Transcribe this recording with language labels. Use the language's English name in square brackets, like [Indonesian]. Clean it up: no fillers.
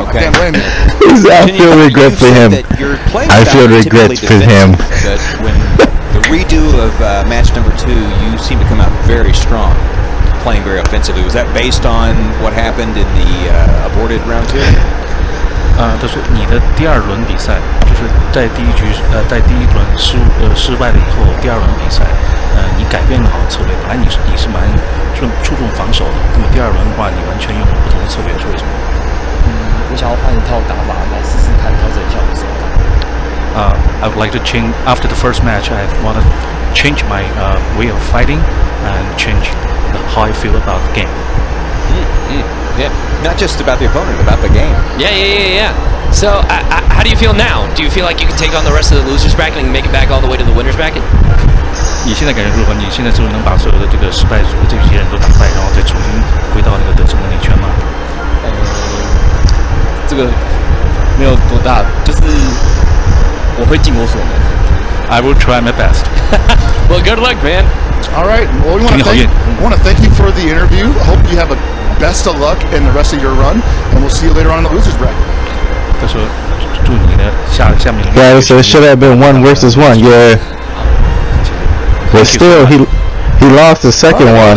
[English] okay. I can't blame him. I feel regret for him. I feel regret for him. When the redo of match number two, you seem to come out very strong, playing very offensively. Was that based on what happened in the aborted round two? [Chinese] 他说你的第二轮比赛就是在第一局在第一轮失败了以后第二轮比赛你改变了好策略本来你是蛮注重防守的那么第二轮的话你完全用了不同的策略是为什么我想要换一套打法来试试看调整一下我的手法 [English] I would like to change after the first match I want to change my way of fighting and change how I feel about the game Not just about the opponent, about the game. Yeah. So, how do you feel now? Do you feel like you can take on the rest of the losers bracket and make it back all the way to the winners bracket? [Chinese] 你现在感觉如何？你现在是能把所有的这个失败组的这些人都打败，然后再重新回到那个得胜的那圈吗？这个没有多大，就是我会尽我所能。 [English] I will try my best. Well, good luck, man. All right. Well, we want to thank you for the interview. Hope you have a best of luck in the rest of your run, and we'll see you later on in the loser's bracket. He said, "Wish you the best." Yeah, so it should have been one versus one. Yeah, but still, he lost the second one.